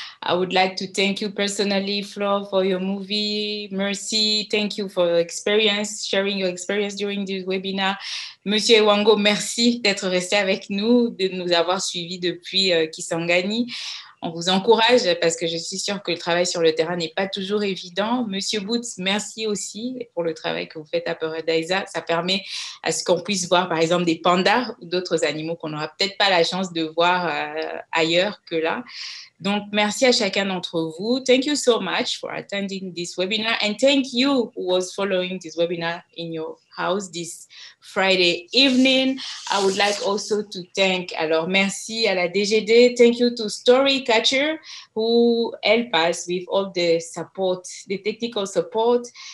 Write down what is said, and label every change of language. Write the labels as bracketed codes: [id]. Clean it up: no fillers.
[en] I would like to thank you personally, Flo, for your movie. Merci. Thank you for experience, sharing your experience during this webinar. [fr] Monsieur Ewango, merci d'être resté avec nous, de nous avoir suivis depuis Kisangani. On vous encourage parce que je suis sûre que le travail sur le terrain n'est pas toujours évident. Monsieur Boots, merci aussi pour le travail que vous faites à Paradisa. Ça permet à ce qu'on puisse voir, par exemple, des pandas ou d'autres animaux qu'on n'aura peut-être pas la chance de voir ailleurs que là. Donc, merci à chacun d'entre vous. [en] Thank you so much for attending this webinar. And thank you who was following this webinar in your house this Friday evening. I would like also to thank, [fr] alors merci à la DGD. [en] Thank you to Storycatcher who help us with all the support, the technical support.